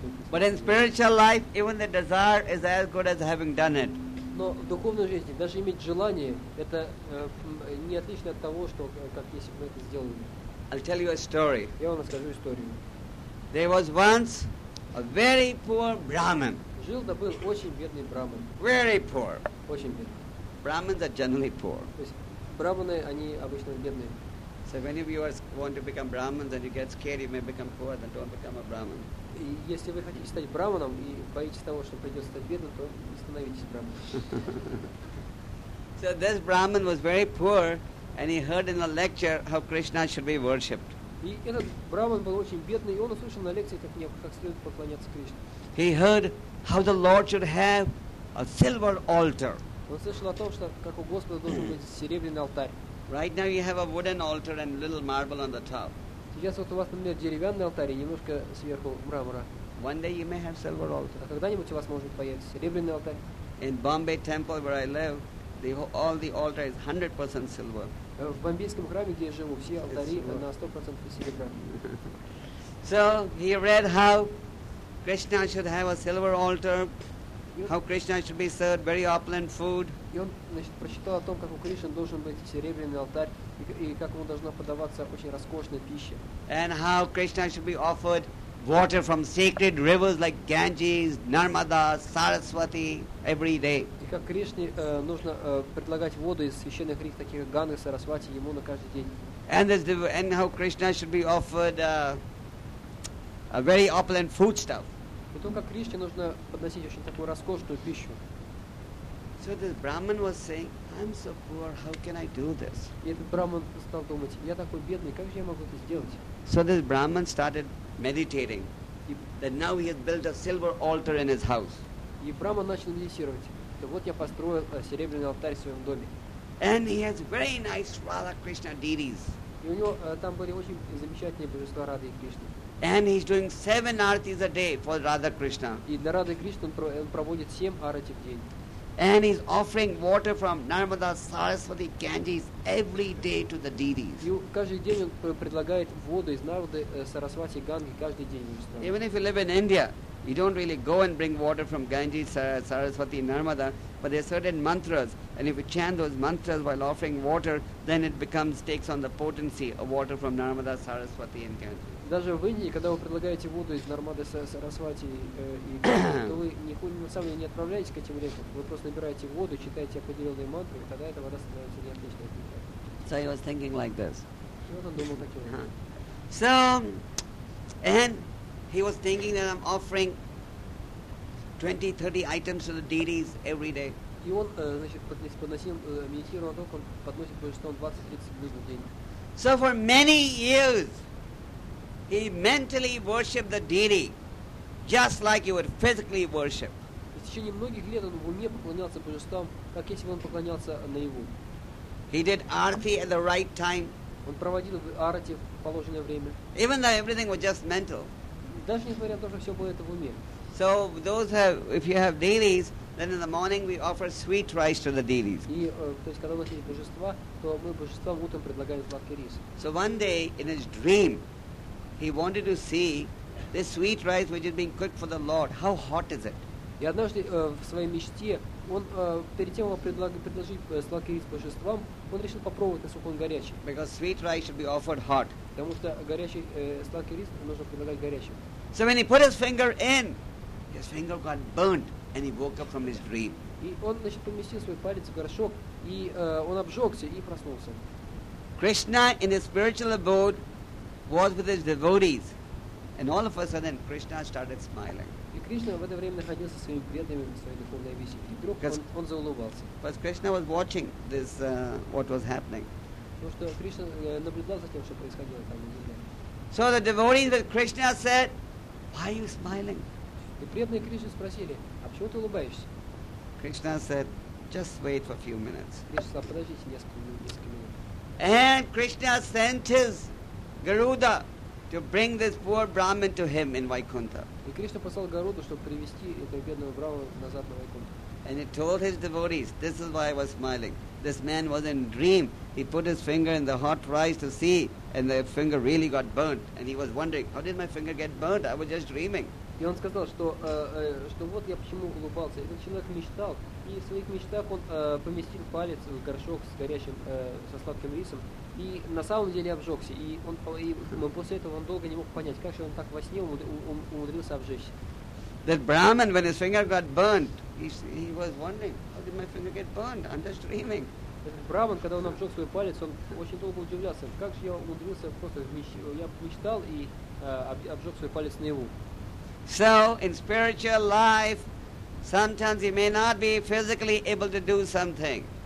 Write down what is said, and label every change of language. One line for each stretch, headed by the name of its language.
English: But in spiritual life, even the desire is as good as having done it.
Russian: Но в духовной жизни даже иметь желание это не отлично от того, что как если бы это сделали.
English: I'll tell you a story.
Russian: Я вам расскажу историю.
English: There was once a very poor Brahmin.
Russian: Жил да был очень бедный Брахман.
English: Very poor.
Russian: Очень бедный.
English: Brahmins are generally poor.
Russian: То есть Брахманы они обычно бедные.
English: So if any of you want to become Brahmins and you get scared you may become poor, then don't become a Brahmin.
Russian: Если вы хотите стать Брахманом и боитесь того, что придется стать бедным, то не становитесь Брахманом.
English: So this Brahmin was very poor and he heard in a lecture how Krishna should be worshipped.
Russian: И этот Брахман был очень бедный, и он услышал на лекции, как следует поклоняться Кришне.
English: He heard how the Lord should have a silver altar.
Russian: Он слышал о том, что как у Господа должен быть серебряный алтарь.
English: Right now you have a wooden altar and a little marble on the top.
Russian: Сейчас вот у вас, например, деревянный алтарь и немножко сверху мрамора.
English: One day you may have silver altar.
Russian: А когда-нибудь у вас может появиться серебряный алтарь.
English: In Bombay temple where I live, all the altar is 100% silver.
Russian: В бомбейском храме, где я живу, все алтари на 100% серебра.
English: So he read how Krishna should have a silver altar, how Krishna should be served very opulent food.
Russian: И он, значит, прочитал о том, как у Кришны должен быть серебряный алтарь и как ему должна подаваться очень роскошная пища.
English: And how Krishna should be offered water from sacred rivers like Ganges, Narmada, Saraswati every day.
Russian: И как Кришне нужно предлагать воду из священных рек, таких как Ганга, Сарасвати, ему на каждый день.
English: And how Krishna should be offered a very opulent foodstuff.
Russian: И то, как Кришне нужно подносить очень такую роскошную пищу.
English: So this Brahman was saying, I'm so poor, how can I do this?
Russian: И этот Брахман стал думать, я такой бедный, как же я могу это сделать?
English: So this Brahman started meditating that now he has built a silver altar in his house.
Russian: И Брахман начал медитировать. Вот я построил серебряный алтарь в своем доме.
English: And he has very nice Radha Krishna deities.
Russian: И у него там были очень замечательные божества Рады и Кришны.
English: And he's doing 7 aartis a day for Radha Krishna.
Russian: И для Рады Кришны он проводит 7 аарти в день.
English: And he's offering water from Narmada, Saraswati, Ganges every day to the deities.
Russian: И каждый день он предлагает воду из Нарды, Сарасвати, Ганги каждый день.
English: Even if you live in India, you don't really go and bring water from Ganges, Saraswati, Narmada, but there are certain mantras, and if you chant those mantras while offering water, then it becomes takes on the potency of water from Narmada, Saraswati, and Ganges.
Russian: Даже в Индии, когда вы предлагаете воду из Нармады, Сарасвати и Ганги, то вы на самом деле не отправляетесь к этим рекам. Вы просто набираете воду, читаете определенные мантры, и тогда эта вода становится неотличной.
English: So he was thinking like this.
Russian: И вот он думал таким.
English: So, and he was thinking that I'm offering 20-30 items to the deities every day.
Russian: И он, значит, медитировал о том, он подносит божеством 20-30 блюд в день.
English: So for many years, he mentally worshipped the deity, just like he would physically worship.
Russian: В течение многих лет он в уме поклонялся божествам, как если бы он поклонялся наяву.
English: He did arati at the right time.
Russian: Он проводил арати в положенное время.
English: Even though everything was just mental.
Russian: Даже несмотря на то, что все было это в уме.
English: So those if you have deities, then in the morning we offer sweet rice to the deities.
Russian: И то есть когда у нас есть божества, то мы божествам утром предлагаем сладкий рис.
English: So one day in his dream, he wanted to see this sweet rice which is being cooked for the Lord. How hot is it?
Russian: И однажды в своей мечте он перед тем, как предложить сладкий рис божествам, он решил попробовать, насколько он горячий.
English: Because sweet rice should be offered hot.
Russian: Потому что горячий сладкий рис нужно предлагать горячим.
English: So when he put his finger in, his finger got burnt, and he woke up from his dream.
Russian: И он, значит, поместил свой палец в горшок, и он обжегся и проснулся.
English: Krishna in his spiritual abode was with his devotees, and all of a sudden Krishna started smiling.
Russian: И Кришна в это время находился со своими преданными в своей духовной обители. И вдруг он заулыбался.
English: Because Krishna was watching this, what was happening.
Russian: Потому что Кришна наблюдал за тем, что происходило там.
English: So the devotees with Krishna said, "Why are you smiling?"
Russian: И преданные Кришне спросили, а почему ты улыбаешься?
English: Krishna said, "Just wait for a few minutes."
Russian: Кришна сказал, подождите несколько минут.
English: And Krishna sent his Garuda to bring this poor Brahmin to him in Vaikuntha.
Russian: И Кришна послал Гаруду, чтобы привести этого бедного Брахмана назад на Вайкунту.
English: And he told his devotees, "This is why I was smiling. This man was in dream. He put his finger in the hot rice to see, and the finger really got burnt. And he was wondering, how did my finger get burnt? I was just dreaming."
Russian: И он сказал, что вот я почему улыбался. Этот человек мечтал, и в своих мечтах он поместил палец в горшок с горячим со сладким рисом. И на самом деле обжегся, и он после этого он долго не мог понять, как же он так во сне умудрился обжечься.
English: That Brahman, when his finger got burnt, he was wondering, how did my finger get burnt? I'm just dreaming.
Russian: Этот Брахман, когда он обжег свой палец, он очень долго удивлялся, как же я умудрился просто я мечтал и обжег свой палец наяву.
English: So in spiritual life, sometimes you may not be physically able to do something.